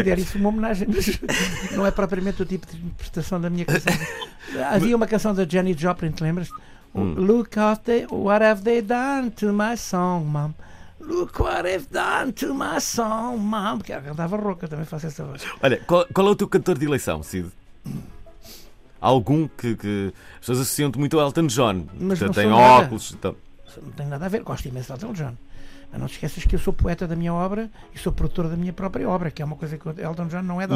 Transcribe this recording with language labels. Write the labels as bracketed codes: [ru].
[pt] Eu considero isso uma homenagem, mas não é propriamente o tipo de interpretação da minha canção. Havia uma canção da Jenny Joplin, te lembras-te? [en] Look at what have they done to my song, mom. Look what I've done to my song, mom. [pt] Que ela cantava rouca, também fazia essa voz. Olha, qual é o teu cantor de eleição, Cid? Algum que as pessoas associam-te muito ao Elton John. Mas que não tem óculos. Não tem nada a ver, gosto imenso do Elton John. Mas não te esqueças que eu sou poeta da minha obra e sou produtor da minha própria obra, que é uma coisa que o Elton John não é da